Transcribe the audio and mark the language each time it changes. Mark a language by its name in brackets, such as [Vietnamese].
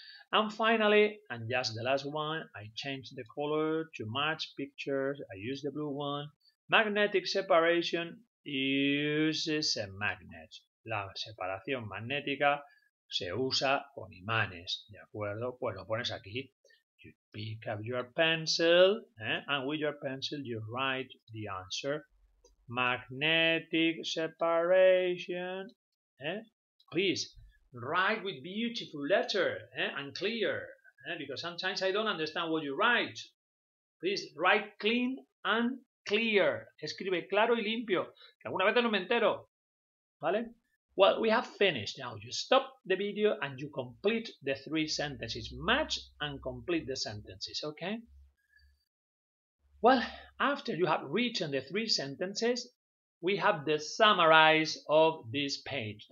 [English] And finally, and just the last one, I change the color to match pictures, I use the blue one. Magnetic separation uses a magnet. [Spanish] La separación magnética se usa con imanes, ¿de acuerdo? Pues lo pones aquí. [English] You pick up your pencil, and with your pencil you write the answer. Magnetic separation, please. Write with beautiful letter and clear, because sometimes I don't understand what you write. Please write clean and clear. [Spanish] Escribe claro y limpio, que alguna vez no me entero. [English] ¿Vale? Well, we have finished. Now you stop the video and you complete the three sentences. Match and complete the sentences, okay? Well, after you have written the three sentences, we have the summarize of this page.